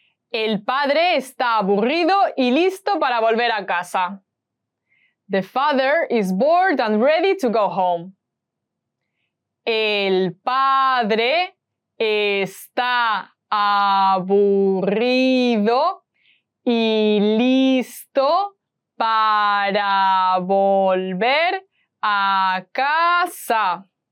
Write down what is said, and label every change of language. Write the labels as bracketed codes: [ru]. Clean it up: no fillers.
[es] El padre está aburrido y listo para volver a casa. [en] The father is bored and ready to go home. [es] El padre está aburrido y listo para volver a casa.